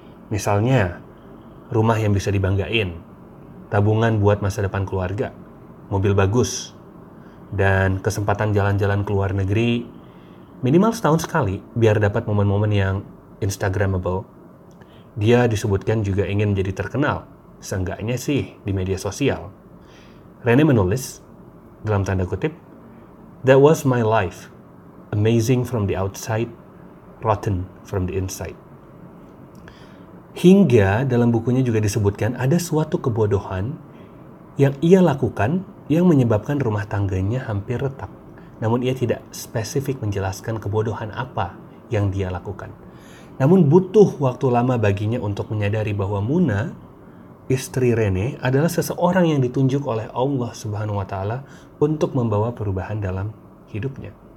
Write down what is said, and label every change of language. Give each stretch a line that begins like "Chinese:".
Indonesian: Misalnya, rumah yang bisa dibanggain, tabungan buat masa depan keluarga, mobil bagus, dan kesempatan jalan-jalan ke luar negeri minimal setahun sekali biar dapat momen-momen yang instagramable. Dia disebutkan juga ingin menjadi terkenal, seenggaknya sih di media sosial. Rene menulis, dalam tanda kutip,
English: that was my life, amazing from the outside, rotten from the inside.
Indonesian: Hingga dalam bukunya juga disebutkan ada suatu kebodohan yang ia lakukan yang menyebabkan rumah tangganya hampir retak. Namun ia tidak spesifik menjelaskan kebodohan apa yang dia lakukan. Namun butuh waktu lama baginya untuk menyadari bahwa Muna, istri Rene, adalah seseorang yang ditunjuk oleh Allah Subhanahu wa Ta'ala untuk membawa perubahan dalam hidupnya.